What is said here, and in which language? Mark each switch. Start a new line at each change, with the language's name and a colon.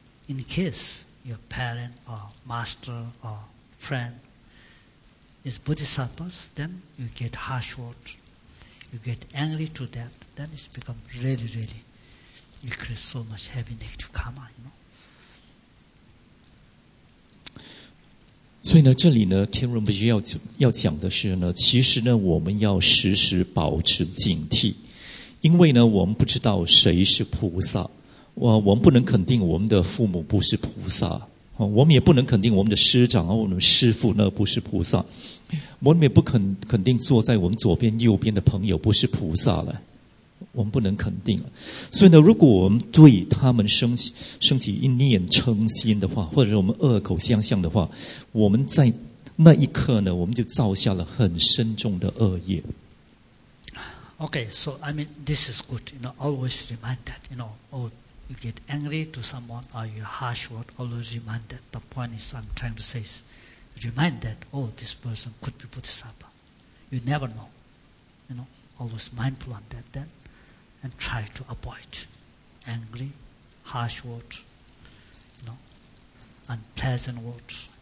English: In case your parent or master or friend is Bodhisattva, then you get harsh words. You get angry to them. Then it's become really, really, you create so much heavy negative karma, you know.
Chinese: 所以呢，这里呢 ，Ken Rinpoche 要讲的是呢，其实呢，我们要时时保持警惕，因为呢，我们不知道谁是菩萨，我们不能肯定我们的父母不是菩萨，我们也不能肯定我们的师长或我们师父呢不是菩萨，我们也不肯定坐在我们左边右边的朋友不是菩萨了，我们不能肯定。所以呢，如果我们对他们升起一念嗔心的话，或者我们恶口相向的话，我们在那一刻呢，我们就造下了很深重的恶业。
English: Okay, so I mean, this is good. You know, always remind that. You know, or you get angry to someone, or you harsh word, always remind that. The point is, I'm trying to say, is remind that. Oh, this person could be Bodhisattva. You never know. You know, always mindful on that then, and try to avoid angry, harsh words, you know, unpleasant words.